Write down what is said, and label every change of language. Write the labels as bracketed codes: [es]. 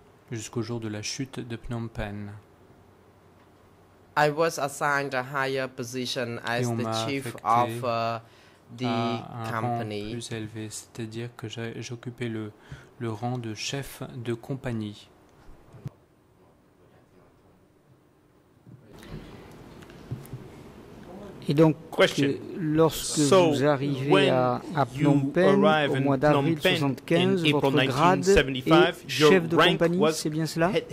[fr] jusqu'au jour de la chute de Phnom Penh. [en] I was assigned a higher position as the chief of the company. [fr] Un rang plus élevé, c'est-à-dire que j'occupais le rang de chef de compagnie. Et donc, lorsque vous arrivez à Phnom Penh au mois d'avril 1975, votre grade est chef de compagnie, c'est bien cela?